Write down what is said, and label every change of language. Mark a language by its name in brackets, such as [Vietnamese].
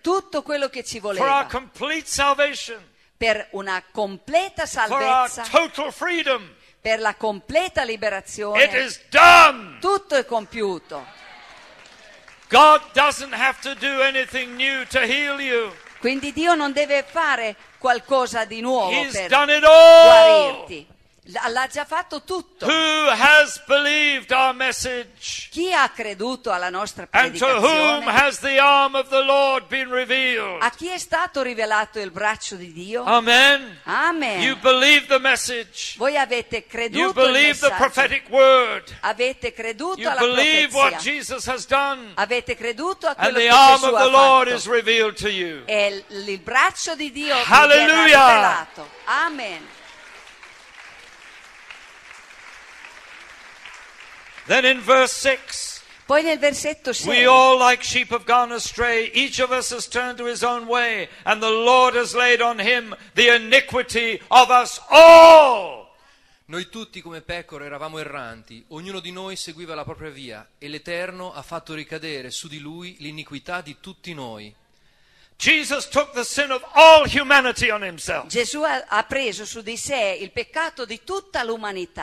[Italian] tutto quello che ci voleva, [English] for our complete salvation, [Italian] per una completa salvezza, [English] for our total freedom, [Italian] per la completa liberazione, [English] it is done! [Italian] Tutto è compiuto. [English] God doesn't have to do anything new to heal you. [Italian] Quindi Dio non deve fare qualcosa di nuovo [English] He's [Italian] per [English] done it all. [Italian] Guarirti. L'ha già fatto tutto. [English] Who has believed our message? [Italian] Chi ha creduto alla nostra predicazione? [English] And to whom has the arm of the Lord been revealed? [Italian] A chi è stato rivelato il braccio di Dio? Amen. Amen. [English] You believe the message. [Italian] Voi avete creduto il messaggio. [English] You believe the prophetic word. [Italian] Avete creduto alla profezia. [English] You believe what Jesus has done. [Italian] Avete creduto a quello che Gesù ha fatto. [English] And the arm of the Lord is revealed to you. [Italian] E il braccio di Dio vi è rivelato. Amen. [English] Then in verse 6, [Italian] poi nel versetto 6, [English] we all like sheep have gone astray, each of us has turned to his own way, and the Lord has laid on him the iniquity of us all. [Italian] Noi tutti come pecore eravamo erranti, ognuno di noi seguiva la propria via, e l'Eterno ha fatto ricadere su di lui l'iniquità di tutti noi. [English] Jesus took the sin of all humanity on himself. [Italian] Gesù ha preso su di sé il peccato di tutta l'umanità.